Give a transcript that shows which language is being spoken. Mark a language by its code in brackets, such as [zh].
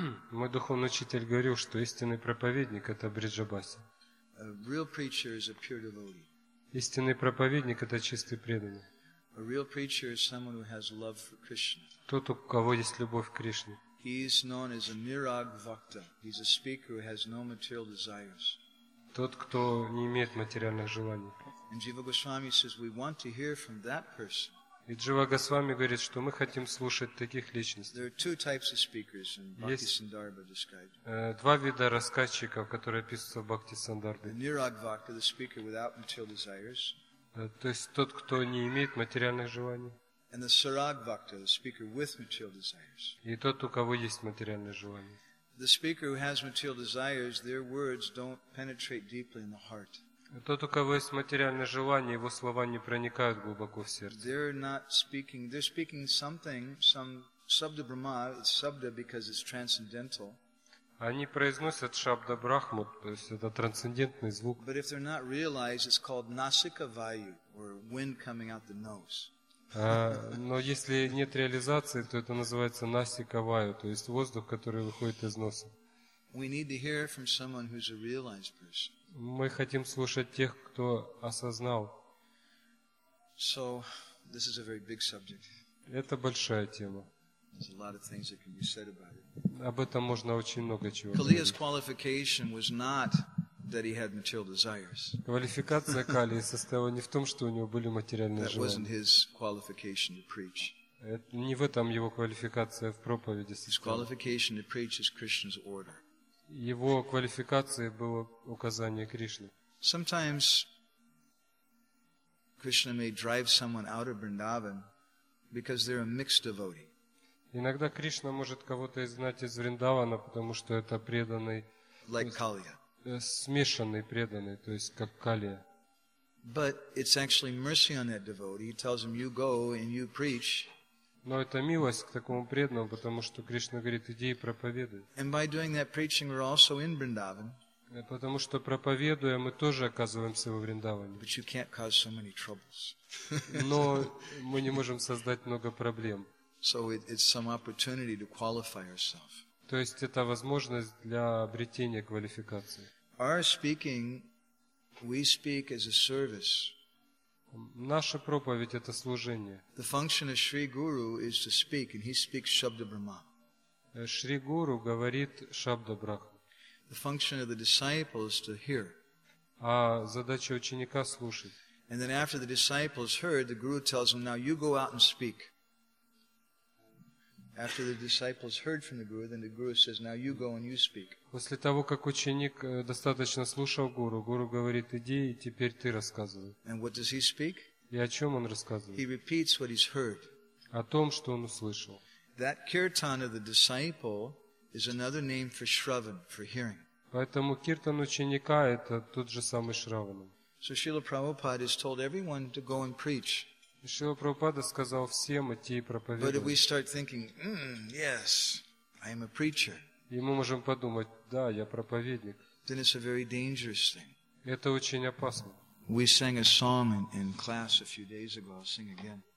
[ru] Мой духовный учитель говорил, что истинный проповедник это бриджабаси. [en] A real preacher is a pure devotee. [ru] Истинный проповедник это чистый преданный. [en] A real preacher is someone who has love for Krishna. [ru] Тот, у кого есть любовь к Кришне. [en] He is known as a nirag vakta. He's a speaker who has no material desires. [ru] Тот, кто не имеет материальных желаний. [en] And Jiva Goswami says we want to hear from that person. [ru] И Джива Госвами говорит, что мы хотим слушать таких личностей. [en] There are two types of speakers in Bhakti Sandarbha described. [ru] Два вида рассказчиков, которые описываются в Бхакти Сандарбе. [en] Nirag Vakta, the speaker without material desires. [ru] То есть тот, кто не имеет материальных желаний. [en] And the Sarag Vakta, the speaker with material desires. [ru] И тот, у кого есть материальные желания. [en] The speaker who has material desires, their words don't penetrate deeply in the heart. [ru] Тот, у кого есть материальное желание, его слова не проникают глубоко в сердце. [en] They're not speaking. They're speaking something, some subda brahma. It's subda because it's transcendental. [ru] Они произносят шабда брахму, то есть это трансцендентный звук. [en] But if they're not realized, it's called nasika vayu, or wind coming out the nose. [ru] Но если нет реализации, то это называется nasika vayu, то есть воздух, который выходит из носа. [en] We need to hear from someone who's a realized person. [ru] Мы хотим слушать тех, кто осознал. [en] So, this is a very big subject. [ru] Это большая тема. [en] There's a lot of things that can be said about it. [ru] Об этом можно очень много чего говорить. [en] Kaliya's qualification was not that he had material desires. [ru] Квалификация Калии состояла не в том, что у него были материальные желания. [en] That wasn't his qualification to preach. [ru] Не в этом его квалификация в проповеди состояла. [en] His qualification to preach is Krishna's order. [ru] Его квалификацией было указание Кришны. [en] Sometimes Krishna may drive someone out of Vrindavan because they're a mixed devotee. [ru] Иногда Кришна может кого-то изгнать из Вриндавана, потому что это преданный, [en] like Kaliya. [ru] Смешанный преданный, то есть как Калия. [en] But it's actually mercy on that devotee. He tells him, "You go and you preach." [ru] Но это милость к такому преданному, потому что Кришна говорит, иди и проповедуй. [en] And by doing that preaching, we're also in Vrindavan. [ru] Потому что проповедуя, мы тоже оказываемся во Вриндаване. [en] But you can't cause so many troubles. [ru] Но мы не можем создать много проблем. [en] So it's some opportunity to qualify ourselves. [ru] То есть это возможность для обретения квалификации. [en] Our speaking, we speak as a service. [ru] Наша проповедь это служение. [en] The function of Shri Guru is to speak, and he speaks Shabda Brahma. [ru] Шри Гуру говорит Шабда Брахма. [en] The function of the disciple is to hear. [ru] А задача ученика слушать. [en] And then after the disciples heard, the Guru tells them, "Now you go out and speak." After the disciples heard from the Guru, then the Guru says, "Now you go and you speak." [ru] После того, как ученик достаточно слушал Гуру, Гуру говорит, иди, и теперь ты рассказывай. [en] And what does he speak? [ru] И о чем он рассказывает? [en] He repeats what he's heard. [ru] О том, что он услышал. [en] That kirtan of the disciple is another name for shravan, for hearing. [ru] Поэтому киртан ученика – это тот же самый шравана. [en] So Srila Prabhupada has told everyone to go and preach. [ru] Шрила Прабхупада сказал всем идти и проповедовать. [en] But if we start thinking, yes, I am a preacher. [ru] И мы можем подумать, да, я проповедник. [en] Then it's a very dangerous thing. [ru] Это очень опасно. [en] We sang a song in class a few days ago. I'll sing again.